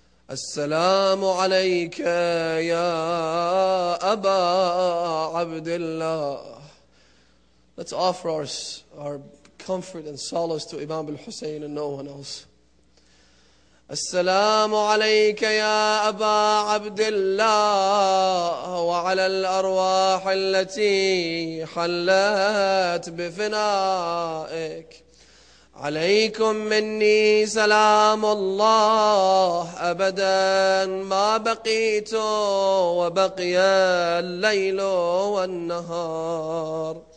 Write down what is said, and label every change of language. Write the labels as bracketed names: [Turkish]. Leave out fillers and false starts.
[Arabic] السلام عليك يا أبا عبد الله. [English] Let's offer our comfort and solace to Imam al-Hussein and no one else. [Arabic] السلام عليك يا أبا عبد الله وعلى الأرواح التي حلت بفنائك. عليكم مني سلام الله أبدا ما بقيت وبقي الليل والنهار.